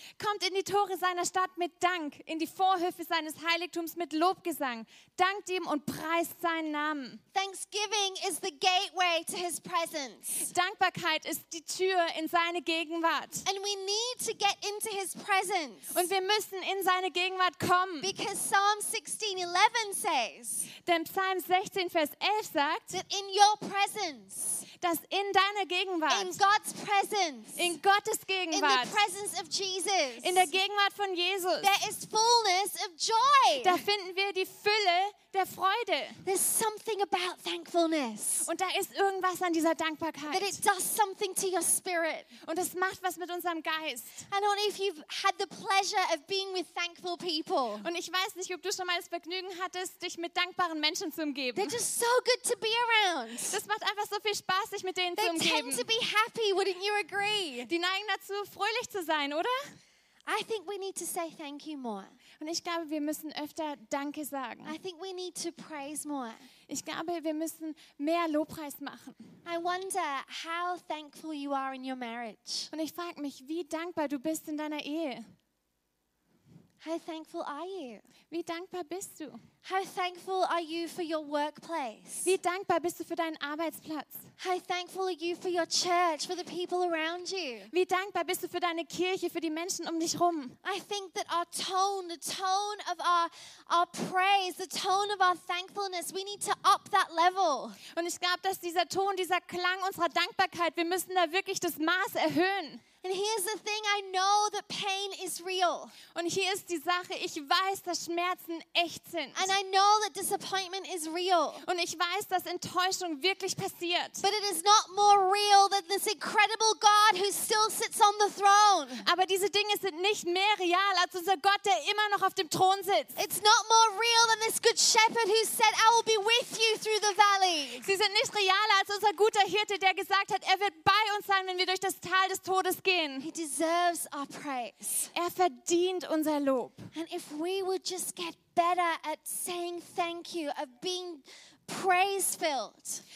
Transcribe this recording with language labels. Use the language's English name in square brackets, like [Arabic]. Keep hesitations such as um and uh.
[German] Kommt in die Tore seiner Stadt mit Dank, in die Vorhöfe seines Heiligtums mit Lobgesang. Dankt ihm und preist seinen Namen. [English] Thanksgiving is the gateway to his presence. [German] Dankbarkeit ist die Tür in seine Gegenwart. [English] And we need to get into his presence. [German] Und wir müssen in seine Gegenwart kommen. [English] Because Psalm 16:11 says [German] Denn Psalm 16, Vers 11 sagt, [English] that in your presence, [German] dass in deiner in Gegenwart, [English] God's presence, [German] in Gottes [English] in the [German] Gegenwart, [English] presence of Jesus, [German] in der Gegenwart von Jesus, [English] there is fullness of joy. [German] da finden wir die Fülle der Freude. [English] There's something about thankfulness [German] Und da ist irgendwas an dieser [English] that [German] Dankbarkeit. [English] it does something to your spirit. [German] Und das macht was mit unserem Geist. [English] I don't know if you've had the pleasure of being with thankful people. [German] Und ich weiß nicht, ob du schon mal das Vergnügen hattest, dich mit dankbaren Menschen zu [English] They're [German] umgeben. [English] just so good to be around. [German] Das macht einfach so viel Spaß, sich mit denen zu [English] They tend to [German] umgeben. [English] be happy, wouldn't you agree? [German] Die neigen dazu, fröhlich zu sein, oder? [English] I think we need to say thank you more. [German] Und ich glaube, wir müssen öfter Danke sagen. [English] I think we need to praise more. [German] Ich glaube, wir müssen mehr Lobpreis machen. [English] I wonder how thankful you are in your marriage. [German] Und ich frage mich, wie dankbar du bist in deiner Ehe. [English] How thankful are you? [German] Wie dankbar bist du? [English] How thankful are you for your workplace? [German] Wie dankbar bist du für deinen Arbeitsplatz? [English] How thankful are you for your church, for the people around you? [German] Wie dankbar bist du für deine Kirche, für die Menschen um dich rum? [English] I think that our tone, the tone of our, our praise, the tone of our thankfulness, we need to up that level. [German] Und ich glaube, dass dieser Ton, dieser Klang unserer Dankbarkeit, wir müssen da wirklich das Maß erhöhen. [English] And here's the thing I know that pain is real, [German] Und hier ist die Sache, ich weiß, dass Schmerzen echt sind. [English] and I know that disappointment is real. [German] Und ich weiß, dass Enttäuschung wirklich passiert. [English] But it is not more real than this incredible God who still sits on the throne. [German] Aber diese Dinge sind nicht mehr real als unser Gott, der immer noch auf dem Thron sitzt. [English] It's not more real than this good shepherd who said, I will be with you through the valley. [German] Sie sind nicht realer als unser guter Hirte, der gesagt hat, er wird bei uns sein, wenn wir durch das Tal des Todes gehen. [English] He deserves our praise. [German] Er verdient unser Lob. [English] And if we would just get better at saying thank you, of being praise filled,